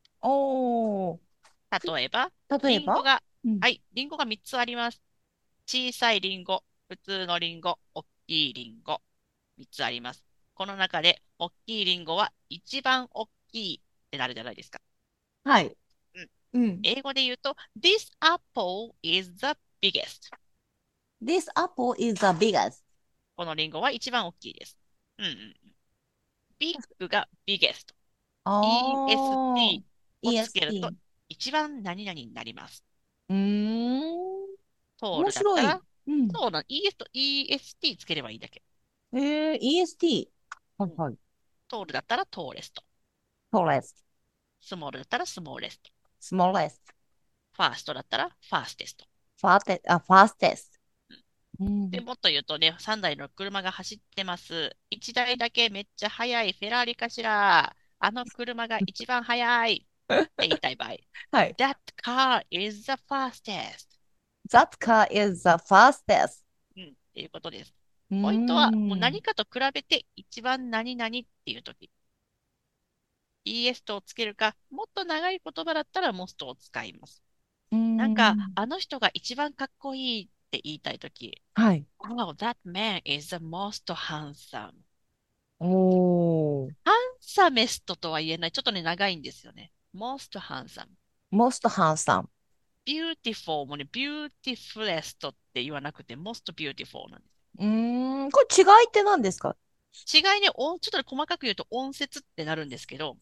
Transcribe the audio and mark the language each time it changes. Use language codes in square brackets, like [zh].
[ja] おー、例えば、例えばリンゴが、うん、はい、リンゴが3つあります。小さいリンゴ、普通のリンゴ、大きいリンゴ、3つあります。この中で大きいリンゴは一番大きいってなるじゃないですか。はい、うん、英語で言うと、 [en] This apple is the biggest. This apple is the biggest. [ja] このリンゴは一番大きいです。 [en] うん、Big が biggest. [ja] EST をつけると、一番何々になります。うーん。面白い。うん、そうなん、EST、EST つければいいだけ。 EST。 はいはい。トールだったらトーレスト。トーレスト。スモールだったらスモーレスト。 [en] smallest。 [ja] ファーストだったらファーステスト。ファーステスト。でもっと言うとね、3台の車が走ってます。1台だけめっちゃ速いフェラーリかしら。あの車が一番速いって言いたい場合。はい。 [en] That car is the fastest. That car is the fastest. [ja] うん、っていうことです。ポイントは、もう何かと比べて一番何々っていうとき。 EST をつけるか、もっと長い言葉だったら MOST を使います。なんか、あの人が一番かっこいいって言いたいとき、はい、 [en] Oh, that man is the most handsome. [ja] おー、ハンサメストとは言えない、ちょっとね、長いんですよね。 [en] MOST handsome、 MOST handsome、 [ja] beautiful もね、 beautifulest って言わなくて MOST beautiful なんです。これ違いって何ですか？違いね、ちょっと細かく言うと音節ってなるんですけど、